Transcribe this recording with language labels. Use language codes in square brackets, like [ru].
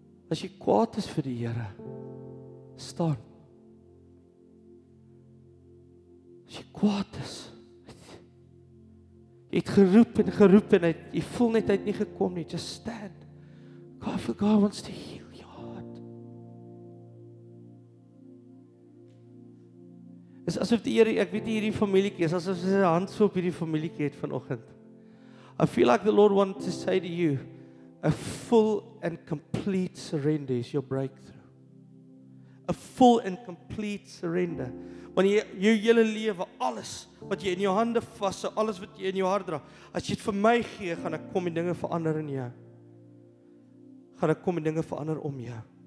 [af] As jy kwaad is vir die Here, staan. As jy kwaad is, jy het geroep en jy voel net hy het nie gekom nie, [en] just stand. God, for God wants to heal your heart. [af] Is asof die Here, ek weet nie hierdie familietjie is, asof sy hand so op hierdie familietjie het vanoggend. [en] I feel like the Lord wants to say to you, a full and complete surrender is your breakthrough. A full and complete surrender. [af] Wanneer jy jou hele lewe, alles wat jy in jou hande vashou, alles wat jy in jou hart dra, as jy dit vir my gee, gaan ek kom en dinge verander in jou. Gaan ek kom en dinge verander om jou.